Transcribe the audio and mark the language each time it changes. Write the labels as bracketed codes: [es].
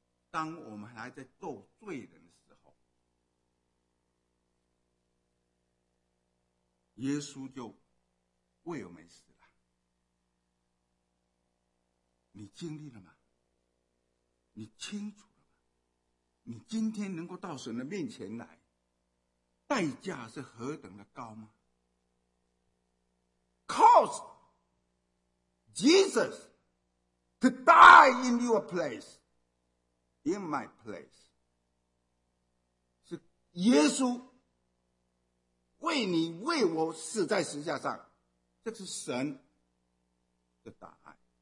[zh] 当我们还在做罪人的时候，耶稣就为我们死了。你经历了吗？你清楚了吗？你今天能够到神的面前来，代价是何等的高吗？ [en] Cause Jesus to die in your place, in my place. [zh] 是耶稣为你为我死在十字架上，这是神的答案。